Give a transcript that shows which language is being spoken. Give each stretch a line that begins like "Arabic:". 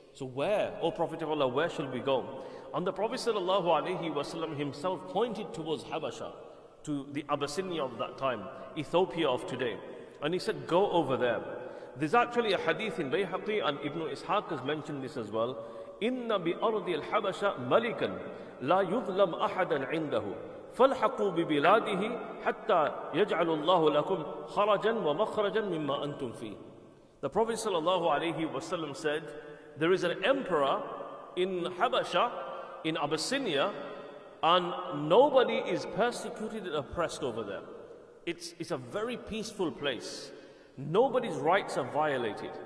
English: So where, O Prophet of Allah, where should we go? And the Prophet sallallahu alaihi wasallam himself pointed towards Habasha, to the Abyssinia of that time, Ethiopia of today. And he said, go over there. There's actually a hadith in Bayhaqi, and Ibn Ishaq has mentioned this as well.
Arabic: Inna bi ardi al Habasha malikan. لا يظلم أحدا عنده فالحقوا ببلاده حتى يجعل الله لكم خرجا ومخرجا مما أنتم فيه.
English: The Prophet sallallahu alaihi wasallam said, there is an emperor in Habasha, in Abyssinia, and nobody is persecuted and oppressed over there. It's a very peaceful place. Nobody's rights are violated.